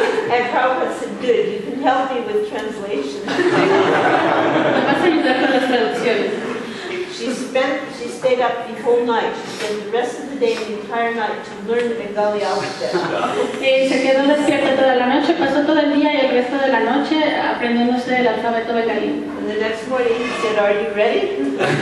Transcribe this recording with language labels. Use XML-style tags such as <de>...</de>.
<en>And Prabhupada said, good, you can help me with translation.</en> <es>Vas a ayudar con las traducciones.</es> <en>She stayed up the whole night. She spent the rest of the day, the entire night, to learn the Bengali alphabet.</en> <es>Y se quedó despierta toda la noche, pasó todo el día y el resto de la noche aprendiéndose el alfabeto bengalí.</es> <en>And the next morning, he said, are you ready?</en>